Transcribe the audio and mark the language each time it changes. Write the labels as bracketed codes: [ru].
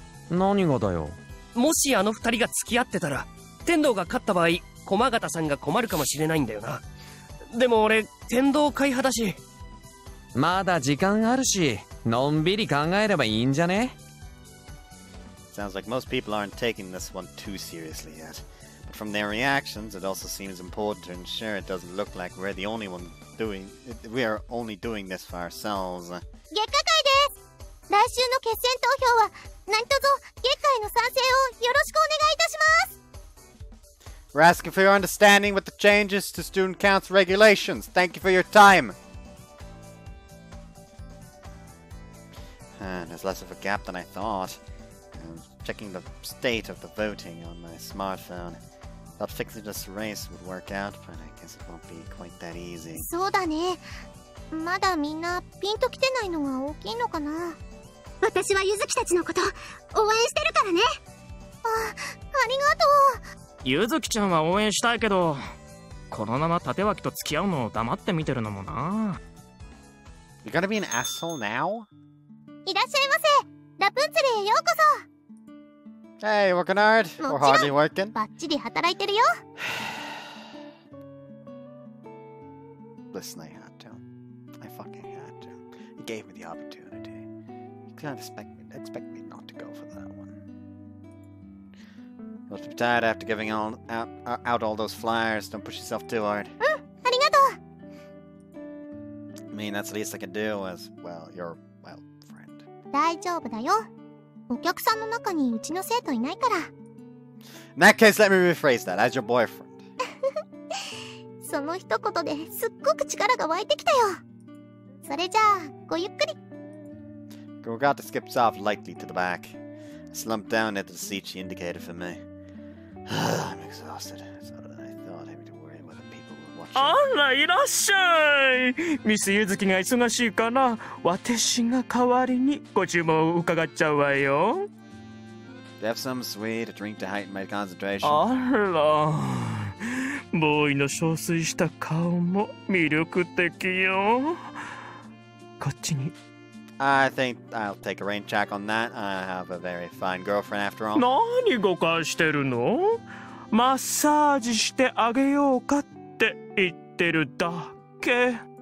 [ja] 何がだよ。もしあの二人が付き合ってたら、天童が勝った場合駒形さんが困るかもしれないんだよな。でも俺天童会派だし。まだ時間あるし、のんびり考えればいいんじゃね。 [en] Sounds like most people aren't taking this one too seriously yet. But from their reactions, it also seems important to ensure it doesn't look like we're the only one doing... We are only doing this for ourselves. [ja] 月下会です。来週の決選投票は、何とぞ月下への賛成をよろしくお願いいたします。 [en] We're asking for your understanding with the changes to student council regulations. Thank you for your time. And there's less of a gap than I thought. Checking the state of the voting on my smartphone. Thought fixing this race would work out, but I guess it won't be quite that easy. [ja] そうだね。まだみんなピンときてないのが大きいのかな。私はゆずきたちのこと応援してるからね。あ、ありがとう。ゆずきちゃんは応援したいけど、このまま立脇と付き合うのを黙って見てるのもな。 [en] You gotta be an asshole now? [ja] 一らっしゃいませ。ラプンツェルへようこそ。 [en] Hey, working hard. We're hardly working. [ja] バッチリ働いてるよ。 [en] Listen, I had to. I fucking had to. He gave me the opportunity. He can't expect me not to go for that one. You must be tired after giving out all those flyers. Don't push yourself too hard. [ja] うん、ありがとう。 [en] I mean, that's the least I can do as, well, your, well, friend. [ja] 大丈夫だよ。お客さんの中にうちの生徒いないから。 [en] In that case, let me rephrase that. As your boyfriend. [ja] その一言ですっごく力が湧いてきたよ。それじゃあ、ごゆっくり。 [en] Gorgata skips off lightly to the back. I slumped down at the seat she indicated for me. I'm exhausted. So did I thought I'd be worried about the people watching. [ja] あら、いらっしゃい。ミス・ユズキが忙しいかな。私が代わりにご注文を伺っちゃうわよ。 [en] Do you have some sweet drink to heighten my concentration? [ja] あら。ボーイの憔悴した顔も魅力的よ。こっちに。 [en] I think I'll take a rain check on that. I have a very fine girlfriend after all. [ja] 何誤解してるの？マッサージしてあげようかって言ってるだけ。